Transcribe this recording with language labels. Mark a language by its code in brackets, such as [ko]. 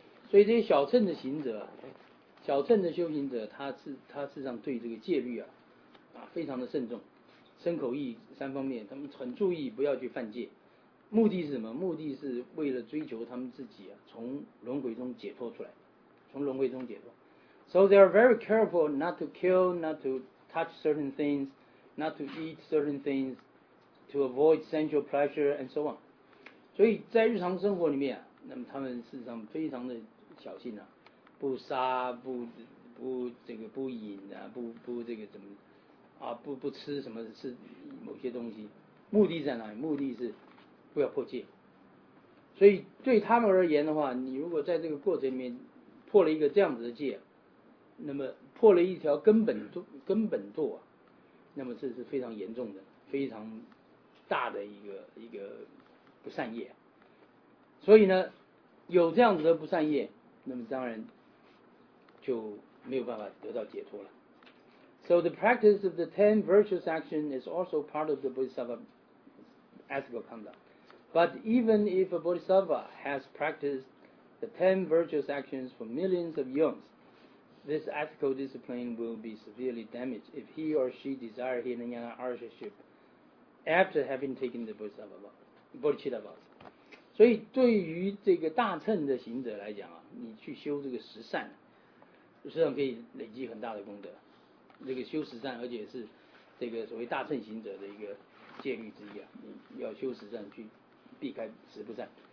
[zh] 所以这些小乘的行者，小乘的修行者，他事实上对这个戒律啊非常的慎重，身口意三方面，他们很注意不要去犯戒。目的是什么？目的是为了追求他们自己啊从轮回中解脱出来，从轮回中解脱。 [en] So they are very careful not to kill, not to touch certain things, not to eat certain things, to avoid sensual pleasure, and so on. [zh] 所以在日常生活里面、啊、那么他们事实上非常的小心啊，不杀，不这个不饮啊，不这个怎么啊，不吃什么是某些东西。目的在哪里？目的是不要破戒。所以对他们而言的话，你如果在这个过程里面破了一个这样子的戒，那么破了一条根本堕、啊，那么这是非常严重的、非常大的一个不善业。所以呢，有这样子的不善业，那么当然就没有办法得到解脱了。 [en] So the practice of the 10 virtuous action is also part of the Bodhisattva ethical conduct. But even if a bodhisattva has practiced the 10 virtuous actions for millions of eons, this ethical discipline will be severely damaged if he or she desire Hinayana Arshaship after having taken the bodhicitta vows. [zh] 所以对于这个大乘的行者来讲、啊、你去修这个十善，实际上可以累积很大的功德。这个修十善，而且是这个所谓大乘行者的一个戒律之一、啊、你要修十善去避开十不善。